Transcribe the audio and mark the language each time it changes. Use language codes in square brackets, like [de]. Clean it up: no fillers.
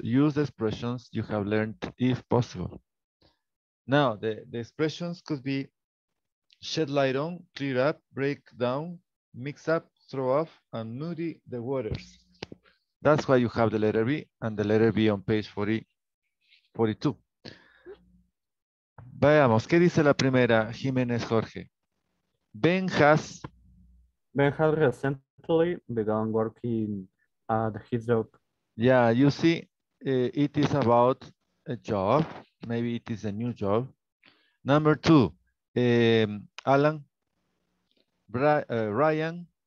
[en] Use the expressions you have learned, if possible. Now, the expressions could be shed light on, clear up, break down, mix up, throw off, and muddy the waters. That's why you have the letter B and the letter B on page 42. [es] Veamos, ¿qué dice la primera, Jiménez Jorge? [en] Ben has Ben has recently begun working at his job. Yeah, you see, it is about a job. Maybe it is a new job. Number two, Alan, Ryan.